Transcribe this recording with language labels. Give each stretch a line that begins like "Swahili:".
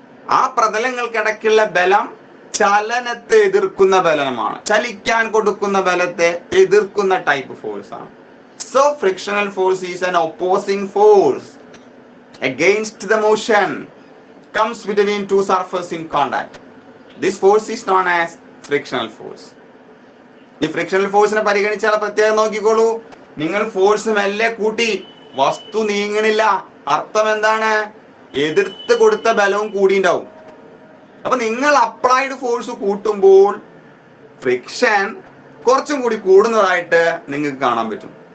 Malayalam: ആ പ്രതലങ്ങൾക്കിടയ്ക്കുള്ള ബലം ചലനത്തെ എതിർക്കുന്ന ബലമാണ്, ചലിക്കാൻ കൊടുക്കുന്ന ബലത്തെ എതിർക്കുന്ന ടൈപ്പ് ഫോഴ്സ് ആണ്.
English: So frictional force is an opposing force against the motion comes between two surfaces in contact. This force is known as frictional force.
Malayalam: ഈ ഫ്രിക്ഷണൽ ഫോഴ്സിനെ പരിഗണിച്ചാൽ പ്രത്യേകം നോക്കിക്കോളൂ. നിങ്ങൾ ഫോഴ്സ് മെല്ലെ കൂട്ടി, വസ്തു നീങ്ങണില്ല. അർത്ഥം എന്താണ്? എതിർത്ത് കൊടുത്ത ബലവും കൂടി ഉണ്ടാവും. അപ്പൊ നിങ്ങൾ അപ്ലൈഡ് ഫോഴ്സ് കൂട്ടുമ്പോൾ ഫ്രിക്ഷൻ കുറച്ചും കൂടി കൂടുന്നതായിട്ട് നിങ്ങൾക്ക് കാണാൻ പറ്റും.